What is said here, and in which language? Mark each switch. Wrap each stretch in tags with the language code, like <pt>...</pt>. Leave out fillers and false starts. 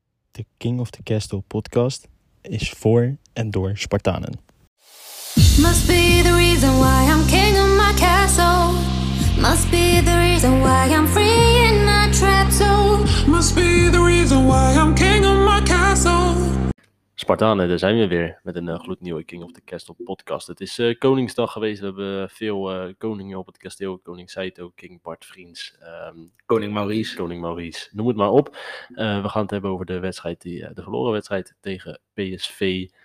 <nl>De King of the Castle podcast is voor en door Spartanen.</nl> <en>Must be the reason why I'm king of my castle. Must be the reason why I'm free in my trap zone. Must be the reason why I'm king of my castle.</en> <nl>Spartanen, daar zijn we weer met een gloednieuwe King of the Castle podcast. Het is Koningsdag geweest. We hebben veel koningen op het kasteel. Koning Saito, King Bart Vriends. Koning Maurice. Noem het maar op. We gaan het hebben over de wedstrijd, de verloren wedstrijd tegen PSV.</nl>